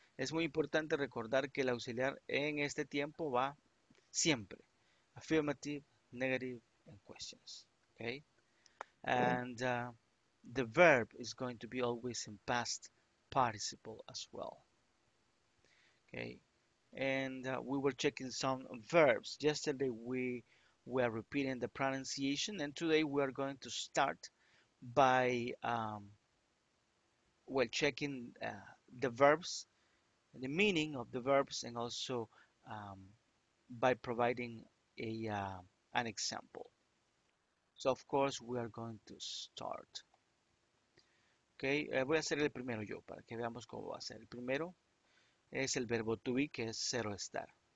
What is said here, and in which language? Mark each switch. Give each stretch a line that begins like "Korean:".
Spanish: Es muy importante recordar que el auxiliar en este tiempo va siempre.
English: Affirmative, negative, and questions. Okay? And the verb is going to be always in past participle as well. Okay? And we were checking some verbs. Yesterday we were repeating the pronunciation, and today we are going to start by checking the verbs, the meaning of the verbs, and also by providing an example. So of course we are going to start.
Spanish: Okay, voy a hacer el primero yo para que veamos cómo va a ser el primero. Es el verbo to be, que es ser o estar.